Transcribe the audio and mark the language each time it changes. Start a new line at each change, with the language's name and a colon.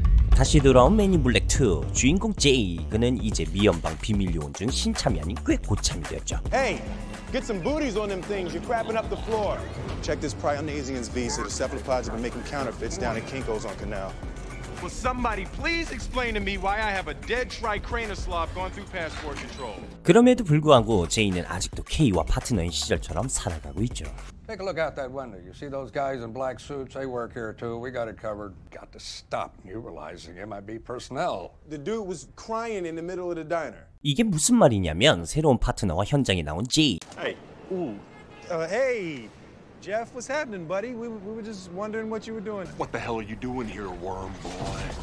Korean: 다시 돌아온 맨 인 블랙 2 주인공 제이. 그는 이제 미연방 비밀 요원 중 신참이 아닌 꽤 고참이 되었죠.
English: Hey, get some booties on them things. You're crapping up the floor. Check this Prionasian's visa. The cephalopods have been making counterfeits down at Kinko's on Canal. Will somebody please explain to me why I have a dead tricranoslav going through passport control?
Korean: 그럼에도 불구하고 제이는 아직도 K와 파트너인 시절처럼 살아가고 있죠.
English: Take a look out that window. You see those guys in black suits? They work here too. We got it covered. Got to stop neutralizing MIB personnel. The dude was crying in the middle of the diner.
Korean: 이게 무슨 말이냐면 새로운 파트너와 현장에 나온 G.
English: Hey, ooh. Hey, Jeff. What's happening, buddy? We were just wondering what you were doing. What the hell are you doing here, worm boy?